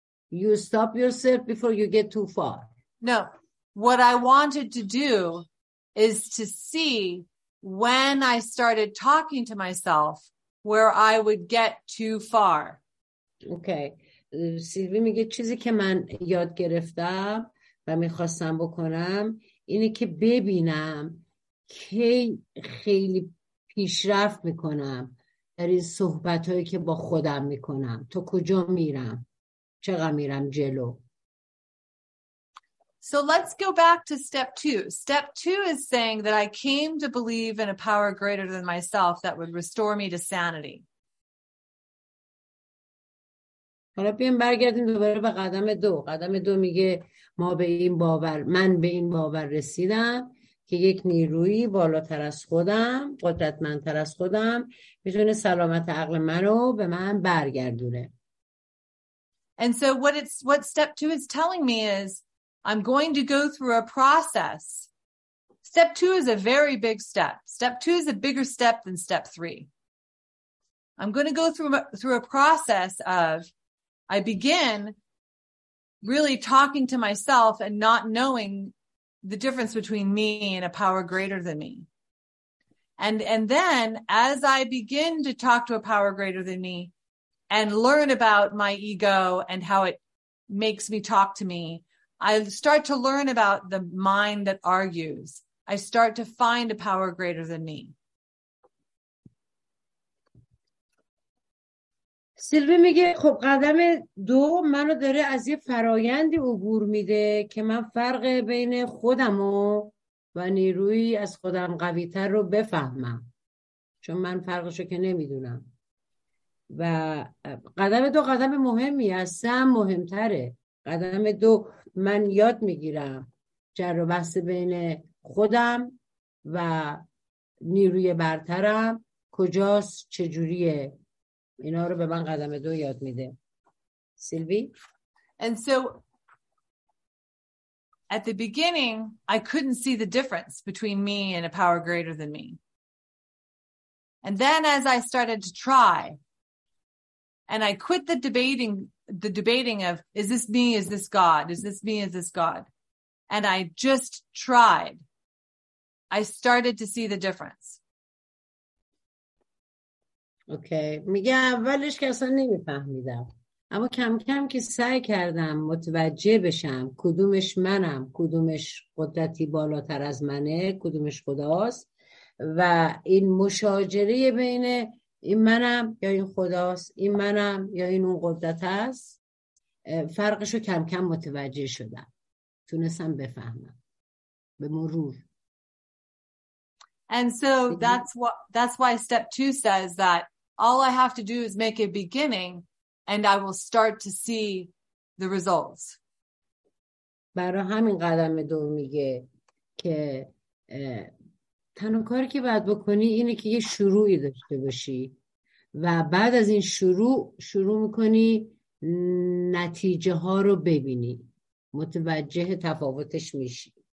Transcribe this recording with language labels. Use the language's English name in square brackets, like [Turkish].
[English] You stop yourself before you get too far. No. What I wanted to do is to see when I started talking to myself where I would get too far. Okay. [Persian] سیلوی میگه چیزی که من یاد گرفتم و میخواستم بکنم اینه که ببینم کی خیلی پیشرفت میکنم در این صحبت هایی که با خودم میکنم، تو کجا میرم، چقدر میرم جلو. [English] So let's go back to step two. Step two is saying that I came to believe in a power greater than myself that would restore me to sanity. [Persian] حالا بیم برگردیم دوباره به قدم دو. قدم دو میگه ما به این باور، من به این باور رسیدم که یک نیروی بالاتر از خودم، قدرتمندتر از خودم میتونه سلامت عقل منو به من برگردونه. [English] And so what step two is telling me is I'm going to go through a process. Step two is a very big step. Step two is a bigger step than step three. I'm going to go through a process of I begin really talking to myself and not knowing the difference between me and a power greater than me. And then as I begin to talk to a power greater than me and learn about my ego and how it makes me talk to me, I start to learn about the mind that argues. I start to find a power greater than me. [Persian] سیلوی میگه خب قدم دو منو داره از یه فرایندی عبور میده که من فرق بین خودم و نیروی از خودم قوی تر رو بفهمم، چون من فرقشو که نمیدونم. و قدم دو قدم مهمی است، مهمتره. قدم دو من یاد میگیرم جر و بحث بین خودم و نیروی برترم کجاست، چجوریه، اینا رو به من قدم دو یاد میده. سیلوی؟ [English] And so at the beginning I couldn't see the difference between me and a power greater than me. And then as I started to try and I quit the debating of is this me, is this God, is this me, is this God, and I just tried, I started to see the difference. Okay okay. [Persian] میگه اولش که اصلا نمیفهمیدم، اما کم کم که سعی کردم متوجه بشم کدومش منم، کدومش قدرتی بالاتر از منه، کدومش خداست، و این مشاجره بین این منم یا این خداست، این منم یا این اون قدرت هست، فرقشو کم کم متوجه شدم، تونستم بفهمم به مرور. [English] And so that's why step two says that all I have to do is make a beginning and I will start to see the results. [Persian] برای همین قدم دو میگه که تنها کاری که باید بکنی اینه که یه شروعی داشته باشی و بعد از این شروع میکنی نتیجه ها رو ببینی، متوجه تفاوتش میشی.